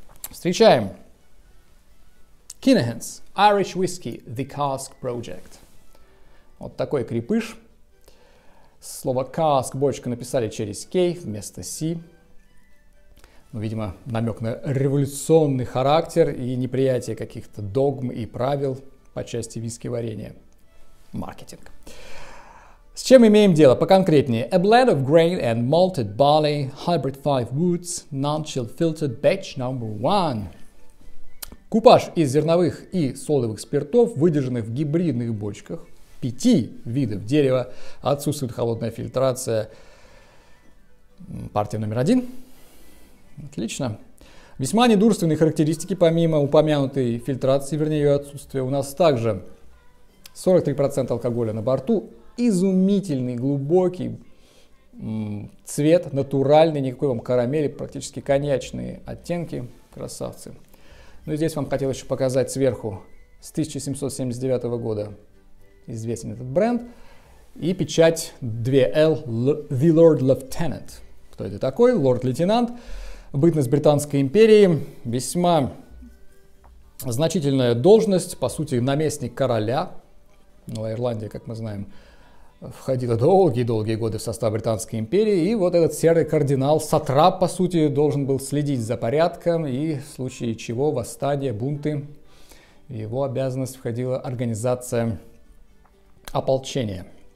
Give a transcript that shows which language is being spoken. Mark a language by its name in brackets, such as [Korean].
[Russian] Встречаем! Kinahan's Irish Whiskey – The Cask Project. Вот такой крепыш. Слово «cask» – бочка написали через «k» вместо «c». Ну, видимо, намек на революционный характер и неприятие каких-то догм и правил по части виски варения. Маркетинг. С чем имеем дело? Поконкретнее. [English] A blend of grain and malted barley, hybrid 5 woods, non-chilled filtered batch number 1. [Russian] Купаж из зерновых и солевых спиртов, выдержанных в гибридных бочках. 5 видов дерева, отсутствует холодная фильтрация. Партия номер 1. Отлично. Весьма недурственные характеристики, помимо упомянутой фильтрации, вернее ее отсутствия. У нас также 43% алкоголя на борту. Изумительный, глубокий цвет, натуральный, никакой вам карамели, практически коньячные оттенки. Красавцы. Ну и здесь вам хотел еще показать сверху с 1779 года известен этот бренд. И печать 2L The Lord Lieutenant. Кто это такой? Лорд-лейтенант. Бытность Британской империи, весьма значительная должность, по сути, наместник короля. Ну, Ирландия, как мы знаем, входила долгие-долгие годы в состав Британской империи. И вот этот серый кардинал, сатрап, по сути, должен был следить за порядком, и в случае чего восстания, бунты, в его обязанность входила организация ополчения.